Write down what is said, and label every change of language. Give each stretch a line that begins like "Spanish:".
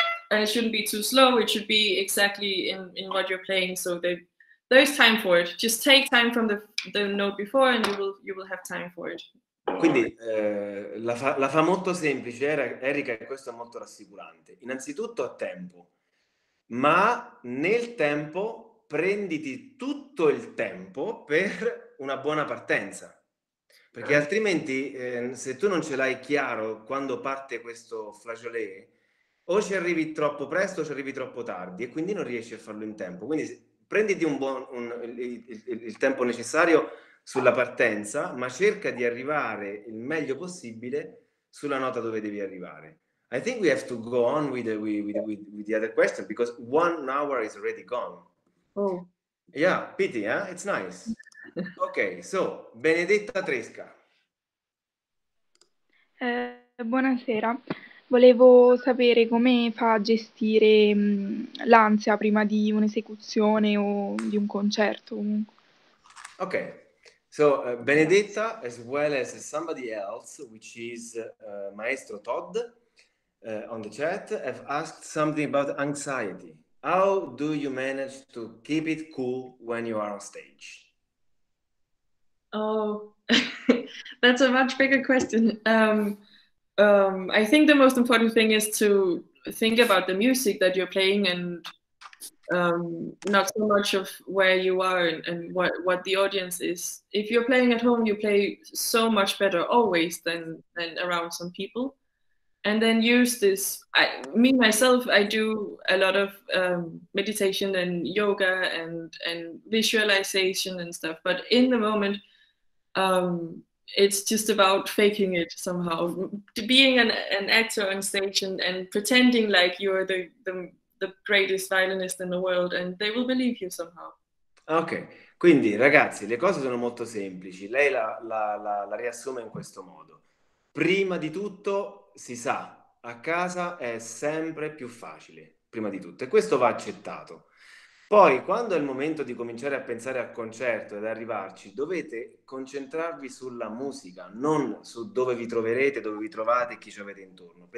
English: And it shouldn't be too slow, it should be exactly in what you're playing, so there is time for it. Just take time from the note before and you will have time for it.
Italian: Quindi la fa molto semplice, Erika, e questo è molto rassicurante. Innanzitutto a tempo, ma nel tempo prenditi tutto il tempo per una buona partenza. Perché altrimenti, se tu non ce l'hai chiaro quando parte questo flageolet, o ci arrivi troppo presto o ci arrivi troppo tardi e quindi non riesci a farlo in tempo. Quindi prenditi il tempo necessario sulla partenza, ma cerca di arrivare il meglio possibile sulla nota dove devi arrivare.
English: I think we have to go on with the other question, because 1 hour is already gone. Oh. Yeah, pity, eh? It's nice. Ok, so, Benedetta Tresca.
Italian: Buonasera. Volevo sapere come fa a gestire l'ansia prima di un'esecuzione o di un concerto.
English: Ok, so Benedetta, as well as somebody else, which is Maestro Todd, on the chat, have asked something about anxiety. How do you manage to keep it cool when you are on stage? Oh, that's a much bigger question. I think the most important thing is to think about the music that you're playing and not so much of where you are and what the audience is. If you're playing at home, you play so much better always than around some people. And then use this, I do a lot of meditation and yoga and visualization and stuff, but in the moment, it's just about faking it somehow, being an actor on stage and pretending like you're the greatest violinist in the world, and they will believe you somehow.
Italian: Ok, quindi ragazzi, le cose sono molto semplici. Lei la riassume in questo modo. Prima di tutto, si sa, a casa è sempre più facile, prima di tutto, e questo va accettato. Poi, quando è il momento di cominciare a pensare al concerto ed arrivarci, dovete concentrarvi sulla musica, non su dove vi troverete, dove vi trovate e chi ci avete intorno.